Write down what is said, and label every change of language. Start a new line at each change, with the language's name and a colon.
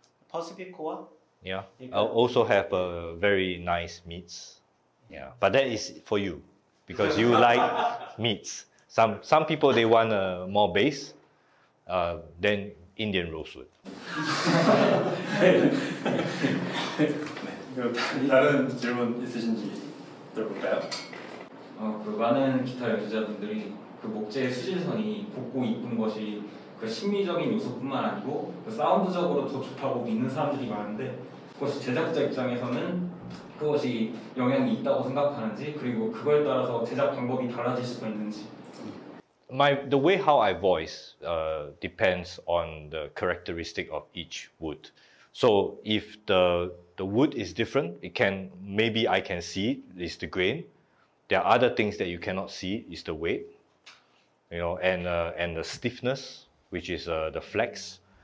English: Pacific Koa? Yeah. I also have a very nice meats. Yeah. But that is for you because you like meats. Some people they want a more base than Indian rosewood.
Korean: 다른 질문 있으신지 들어볼까요? 그 많은 기타 연주자분들이 그 목재의 수질선이 곱고 이쁜 것이 그 심미적인 요소뿐만 아니고 그 사운드적으로 더 좋다고 믿는 사람들이 많은데 그것이 제작자 입장에서는 그것이 영향이 있다고 생각하는지 그리고 그거에 따라서 제작 방법이 달라질 수도 있는지.
English: The way how I voice depends on the characteristic of each wood. So if the wood is different, it can maybe I can see it, it's the grain. There are other things that you cannot see is the weight, you know, and the stiffness, which is the flex.